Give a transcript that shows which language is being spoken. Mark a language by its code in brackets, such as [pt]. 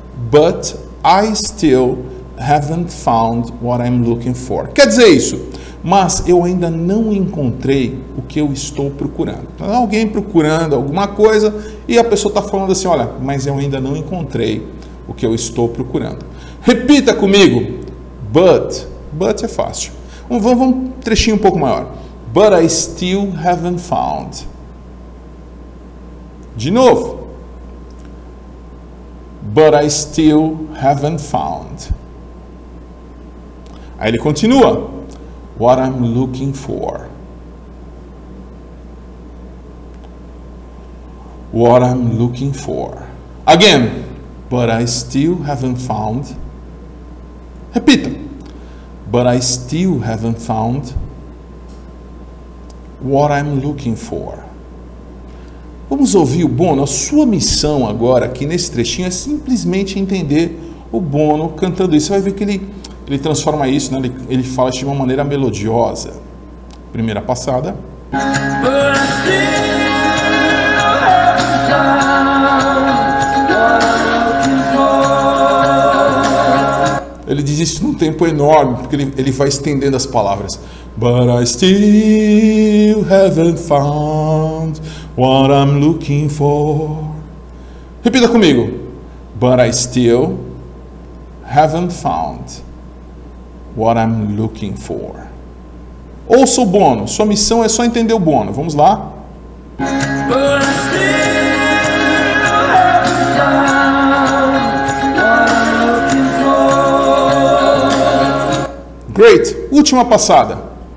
[en] But I still haven't found what I'm looking for. [pt] Quer dizer isso? Mas eu ainda não encontrei o que eu estou procurando. Alguém procurando alguma coisa e a pessoa está falando assim, olha, mas eu ainda não encontrei o que eu estou procurando. Repita comigo. But é fácil. Vamos um trechinho um pouco maior. [en] But I still haven't found. [pt] De novo. [en] But I still haven't found. [pt] Aí ele continua. [en] What I'm looking for. What I'm looking for. Again. But I still haven't found. [pt] Repita. [en] But I still haven't found. What I'm looking for. [pt] Vamos ouvir o Bono. A sua missão agora aqui nesse trechinho é simplesmente entender o Bono cantando isso. Você vai ver que ele transforma isso, né? Ele fala isso de uma maneira melodiosa. Primeira passada. Ele diz isso num tempo enorme, porque ele vai estendendo as palavras. [en] But I still haven't found what I'm looking for. [pt] Repita comigo. [en] But I still haven't found what I'm looking for. [pt] Ouça o Bono. Sua missão é só entender o Bono. Vamos lá. Great. Última passada.